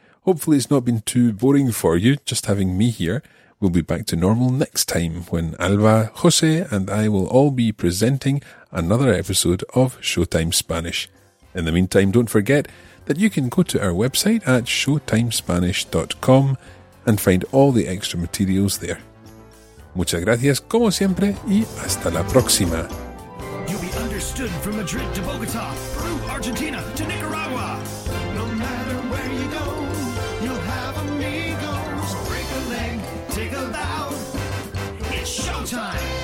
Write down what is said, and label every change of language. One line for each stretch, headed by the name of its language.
English: Hopefully it's not been too boring for you, just having me here. We'll be back to normal next time when Alba, José and I will all be presenting another episode of Showtime Spanish. In the meantime, don't forget that you can go to our website at showtimespanish.com and find all the extra materials there.
Spanish: Muchas gracias, como siempre, y hasta la próxima.
English: You'll be understood from Madrid to Bogotá, Peru, Argentina to Nicaragua. No matter where you go, you'll have amigos. Break a leg, take a bow. It's showtime.